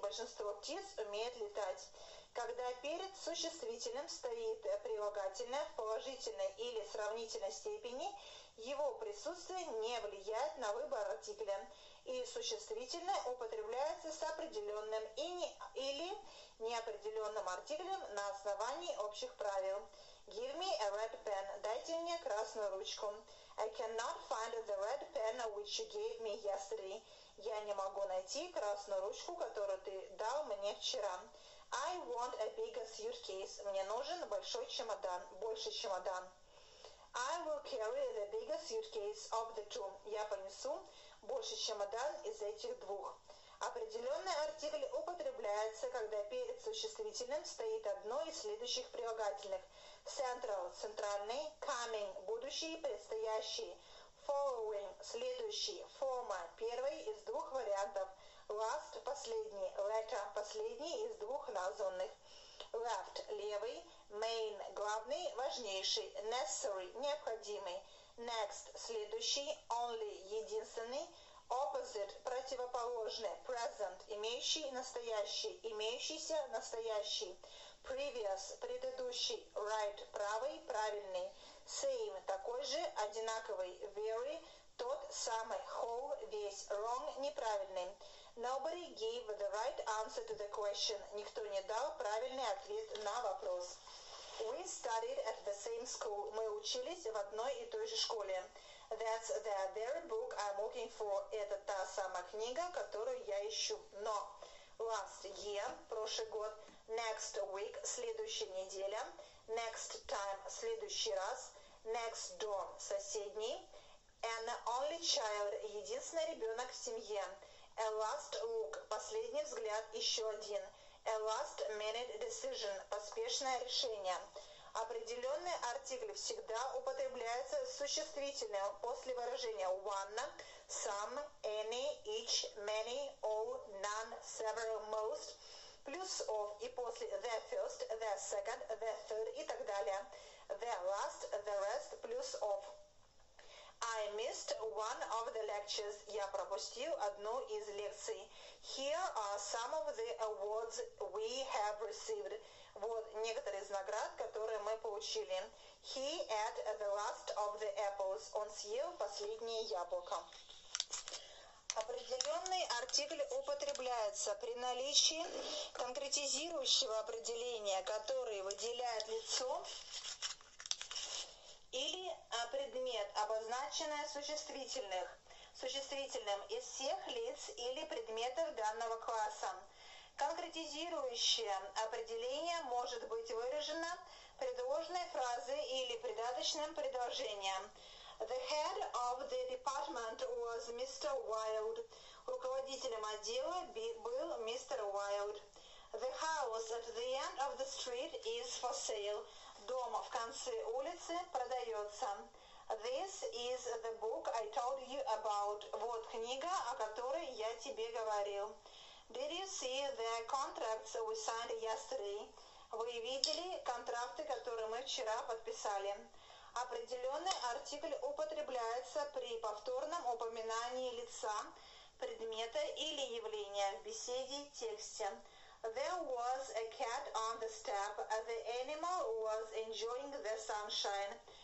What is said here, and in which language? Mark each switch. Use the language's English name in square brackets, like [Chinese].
[Russian] Большинство птиц умеет летать. Когда перед существительным стоит прилагательное в положительной или сравнительной степени, его присутствие не влияет на выбор артикля, и существительное употребляется с определенным или неопределенным артиклем на основании общих правил. [English] Give me a red pen. [Russian] Дайте мне красную ручку. [English] I cannot find the red pen which you gave me yesterday. [Russian] Я не могу найти красную ручку, которую ты дал мне вчера. [English] I want a bigger suitcase. [Russian] Мне нужен большой чемодан, больше чемодан. [English] I will carry the bigger suitcase of the two. [Russian] Я понесу больше чемодан из этих двух. Определенный артикль употребляется, когда перед существительным стоит одно из следующих прилагательных. Central – центральный, coming – будущий, предстоящий, following – следующий, former – первый из двух вариантов, last – последний, latter – последний из двух названных, left – левый, main – главный, важнейший, necessary – необходимый, next – следующий, only – единственный, opposite – противоположный, present – имеющий, настоящий, имеющийся, настоящий, previous – предыдущий, right – правый, правильный, same – такой же, одинаковый, very – тот самый, whole – весь, wrong – неправильный, [English] Nobody gave the right answer to the question. [Russian] Никто не дал правильный ответ на вопрос. [English] We studied at the same school. [Russian] Мы учились в одной и той же школе. [English] That's the other book I'm looking for. [Russian] Это та самая книга, которую я ищу. Но [English] last year, [Russian] прошлый год, [English] next week, [Russian] следующая неделя, [English] next time, [Russian] следующий раз, [English] next door, [Russian] соседний, [English] an only child, [Russian] единственный ребенок в семье, [English] a last look, [Russian] последний взгляд, еще один, [English] a last minute decision, [Russian] поспешное решение. Определенные артикли всегда употребляются с существительным после выражения [English] one, some, any, each, many, all, none, several, most, plus of [Russian] и после [English] the first, the second, the third [Russian] и так далее. [English] The last, the rest, plus of. I missed one of the lectures. [Russian] Я пропустил одну из лекций. [English] Here are some of the awards we have received. [Russian] Вот некоторые из наград, которые мы получили. [English] He ate the last of the apples. [Russian] Он съел последнее яблоко. Определенный артикль употребляется при наличии конкретизирующего определения, которое выделяет лицо или предмет, обозначенное существительным из всех лиц или предметов данного класса. Конкретизирующее определение может быть выражено предложной фразой или придаточным предложением. [English] The head of the department was Mr. Wild. [Russian] Руководителем отдела был Mr. Wild. [English] The house at the end of the street is for sale. [Russian] Дом в конце улицы продается. [English] This is the book I told you about. [Russian] Вот книга, о которой я тебе говорил. [English] Did you see the contracts we signed yesterday? [Russian] Вы видели контракты, которые мы вчера подписали? Определенный артикль употребляется при повторном упоминании лица, предмета или явления в беседе, тексте. [English] There was a cat on the step. The animal was enjoying the sunshine.